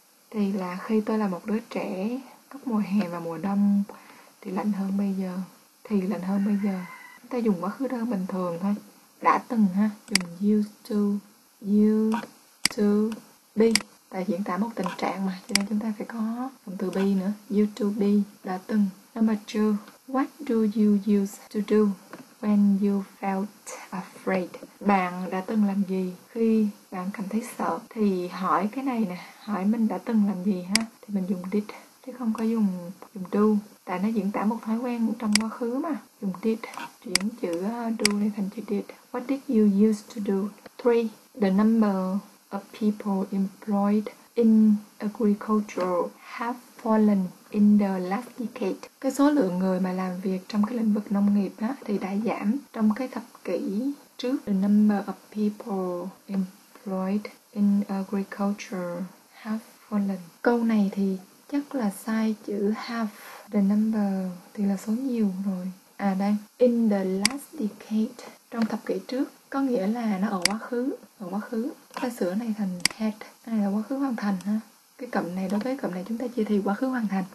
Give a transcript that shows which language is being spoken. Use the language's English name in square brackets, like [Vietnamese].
[Vietnamese] Thì là khi tôi là một đứa trẻ, các mùa hè và mùa đông thì lạnh hơn bây giờ. Thì lạnh hơn bây giờ. Ta dùng quá khứ đơn bình thường thôi. Đã từng ha, dùng [English] used to be. [Vietnamese] Tại diễn tả một tình trạng mà, cho nên chúng ta phải có cụm từ be nữa. [English] You to be, đã từng. Number two, what do you use to do when you felt afraid? [Vietnamese] Bạn đã từng làm gì khi bạn cảm thấy sợ? Thì hỏi cái này nè, hỏi mình đã từng làm gì ha? Thì mình dùng did, chứ không có dùng do. Tại nó diễn tả một thói quen trong quá khứ mà. Dùng did, chuyển chữ do này thành chữ did. [English] What did you use to do? Three, the number of people employed in agriculture have fallen in the last decade. [Vietnamese] Cái số lượng người mà làm việc trong cái lĩnh vực nông nghiệp á thì đã giảm trong cái thập kỷ trước. [English] The number of people employed in agriculture have fallen. [Vietnamese] Câu này thì chắc là sai chữ have. The number thì là số nhiều rồi. À đây, [English] in the last decade, [Vietnamese] trong thập kỷ trước, có nghĩa là nó ở quá khứ. Ở quá khứ, ta sửa này thành had. Cái này là quá khứ hoàn thành ha. Cái cụm này, đối với cụm này chúng ta chia thì quá khứ hoàn thành.